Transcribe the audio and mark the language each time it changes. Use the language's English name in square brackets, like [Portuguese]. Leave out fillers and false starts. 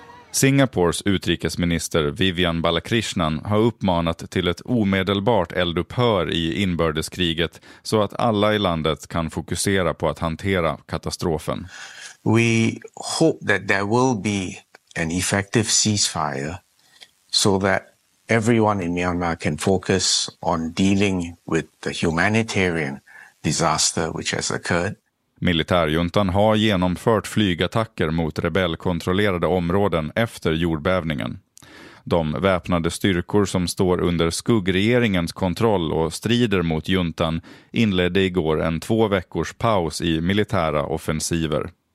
[Swedish] Singapores utrikesminister Vivian Balakrishnan har uppmanat till ett omedelbart eldupphör i inbördeskriget så att alla i landet kan fokusera på att hantera katastrofen. [English] We hope that there will be an effective ceasefire so that everyone in Myanmar can focus on dealing with the humanitarian disaster which has occurred. [Swedish] Militärjuntan har genomfört flygattacker mot rebellkontrollerade områden efter jordbävningen. De väpnade styrkor som står under skuggregeringens kontroll och strider mot juntan inledde igår en 2 veckors paus i militära offensiver.